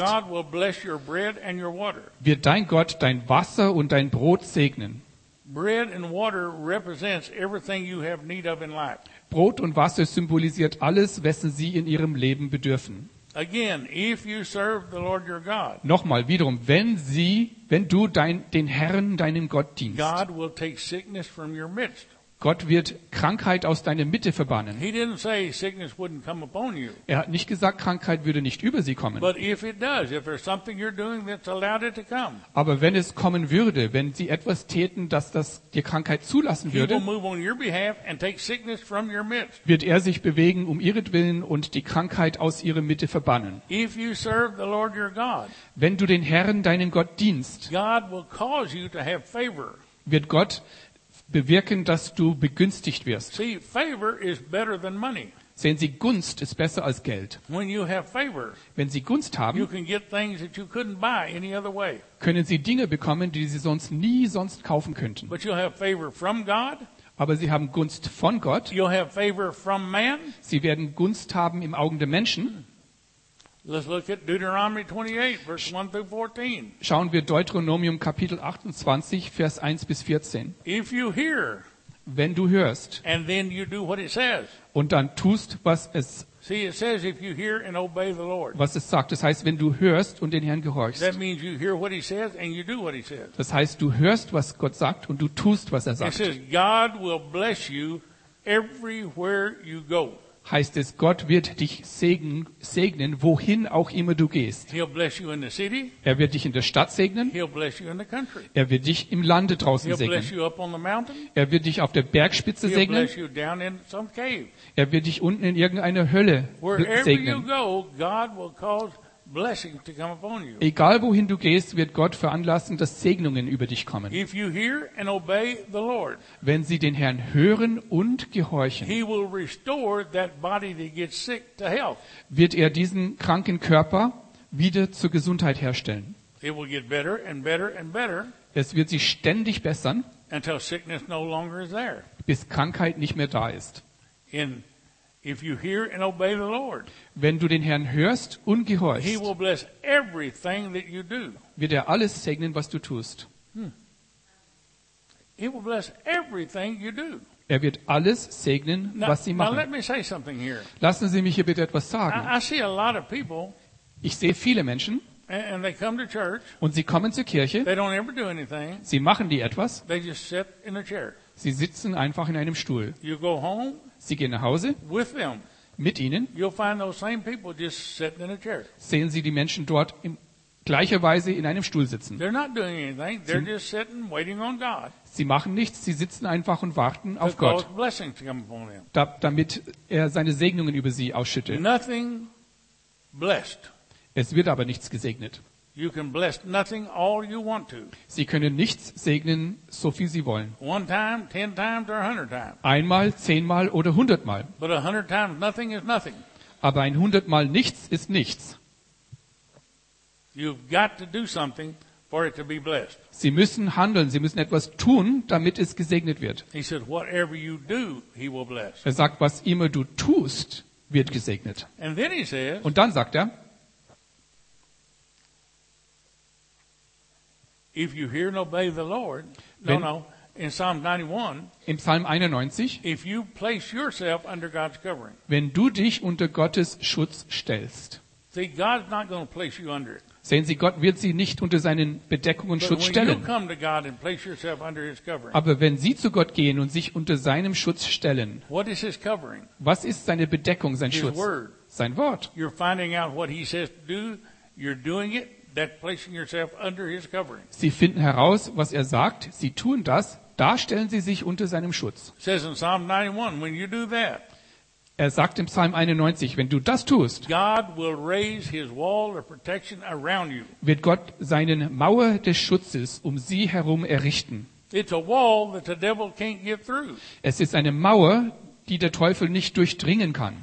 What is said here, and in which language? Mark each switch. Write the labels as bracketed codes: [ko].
[en] your God will bless your bread and your water. [de] Wird dein Gott dein Wasser und dein Brot segnen. [en] Bread and water represents everything you have need of in life. [de] Brot und Wasser symbolisiert alles, wessen sie in ihrem Leben bedürfen. [en] Again, if you serve the Lord your God, [de] nochmal, wiederum, wenn du den Herrn, deinem Gott, dienst, [en] God will take sickness from your midst. [de] Gott wird Krankheit aus deiner Mitte verbannen. [en] He didn't say sickness wouldn't come upon you. [de] Er hat nicht gesagt, Krankheit würde nicht über sie kommen. [en] But if it does, if there's something you're doing that's allowed it to come. [de] Aber wenn es kommen würde, wenn sie etwas täten, dass das die Krankheit zulassen würde, [en] he will move on your behalf and take sickness from your midst. [de] Wird er sich bewegen um ihretwillen und die Krankheit aus ihrer Mitte verbannen. [en] If you serve the Lord your God, [de] wenn du den Herrn, deinen Gott, dienst, [en] God will cause you to have favor. [de] Wird Gott bewirken, dass du begünstigt wirst. [en] See, favor is better than money. [de] Sehen Sie, Gunst ist besser als Geld. [en] When you have favor, [de] wenn Sie Gunst haben, [en] you can get things that you couldn't buy any other way. [de] Können Sie Dinge bekommen, die Sie sonst nie sonst kaufen könnten. [en] But you have favor from God. [de] Aber Sie haben Gunst von Gott. [en] You have favor from man. [de] Sie werden Gunst haben im Augen der Menschen. [en] Let's look at Deuteronomy 28, verse 1 through 14. [de] Schauen wir Deuteronomium Kapitel 28, Vers 1 bis 14. [en] If you hear, [de] wenn du hörst, [en] and then you do what it says. [de] Und dann tust, was es, [en] see, it says if you hear and obey the Lord. [de] Was es sagt, das heißt, wenn du hörst und den Herrn gehorchst. [en] That means you hear what he says and you do what he says. [de] Das heißt, du hörst, was Gott sagt und du tust, was er sagt. [en] It says God will bless you everywhere you go. [de] Heißt es, Gott wird dich segnen, wohin auch immer du gehst. [en] He'll bless you in the city. [de] Er wird dich in der Stadt segnen. [en] He'll bless you in the country. [de] Er wird dich im Lande draußen [en] He'll [de] segnen. [en] Bless you up on the mountain. [de] Er wird dich auf der Bergspitze [en] He'll [de] segnen. [en] Bless you down in some cave. [de] Er wird dich unten in irgendeiner Hölle [en] Wherever [de] segnen. [en] You go, God will cause blessing to come upon you. [de] Egal wohin du gehst, wird Gott veranlassen, dass Segnungen über dich kommen. [en] If you hear and obey the Lord, [de] wenn sie den Herrn hören und gehorchen, [en] he will restore that body that gets sick to health. [de] Wird er diesen kranken Körper wieder zur Gesundheit herstellen. [en] It will get better and better and better, [de] es wird sich ständig bessern, [en] until sickness no longer is there. [de] Bis Krankheit nicht mehr da ist. [en] If you hear and obey the Lord, [de] wenn du den Herrn hörst und gehorchst, [en] he will bless everything that you do. [de] Wird er alles segnen, was du tust. [en] He will bless everything you do. [de] Er wird alles segnen, [en] now, [de] was sie machen. [en] Now let me say something here. [de] Lassen Sie mich hier bitte etwas sagen. [en] I see a lot of people, [de] ich sehe viele Menschen, [en] and they come to church, [de] und sie kommen zur Kirche, [en] they don't ever do anything, [de] sie machen die etwas, [en] they just sit in a chair. [de] Sie sitzen einfach in einem Stuhl. [en] You go home, [de] Sie gehen nach Hause [en] with them, [de] mit ihnen. [en] You'll find those same people just sitting in a chair. [de] Sehen Sie die Menschen dort in gleicher Weise in einem Stuhl sitzen. [en] They're not doing anything. They're just sitting, waiting on God. [de] Sie machen nichts, sie sitzen einfach und warten auf Gott, [en] cause blessings to come upon them. [de] Damit er seine Segnungen über sie ausschüttet. [en] Nothing blessed. [de] Es wird aber nichts gesegnet. [en] You can bless nothing all you want to. [de] Sie können nichts segnen, so viel Sie wollen. [en] One time, 10 times or 100 times. [de] Einmal, 10-mal oder 100-mal. [en] But 100 times nothing is nothing. [de] Aber ein 100-mal nichts ist nichts. [en] You've got to do something for it to be blessed. [de] Sie müssen handeln, Sie müssen etwas tun, damit es gesegnet wird. [en] He said, whatever you do, he will bless. [de] Er sagt, was immer du tust, wird gesegnet. [en] And then he says, [de] und dann sagt er, [en] if you hear and obey the Lord, in Psalm 91, [de] im Psalm 91, [en] if you place yourself under God's covering, [de] wenn du dich unter Gottes Schutz stellst, [en] see, God's not going to place you under it. [de] Sehen Sie, Gott wird Sie nicht unter seinen Bedeckungen [en] but [de] Schutz [en] when [de] stellen. [en] You come to God and place yourself under his covering, [de] aber wenn Sie zu Gott gehen und sich unter seinem Schutz stellen, [en] what is his covering? [de] Was ist seine Bedeckung, sein [en] his [de] Schutz? [en] Word. [de] Sein Wort. [en] You're finding out what he says to do, you're doing it. That placing yourself under his covering. [de] Sie finden heraus, was er sagt. Sie tun das. Da stellen sie sich unter seinem Schutz. [en] Says in Psalm 91, when you do that, [de] er sagt im Psalm 91, wenn du das tust, [en] God will raise his wall of protection around you. [de] Wird Gott seine Mauer des Schutzes um sie herum errichten. [en] It's a wall that the devil can't get through. [de] Es ist eine Mauer, die der Teufel nicht durchdringen kann.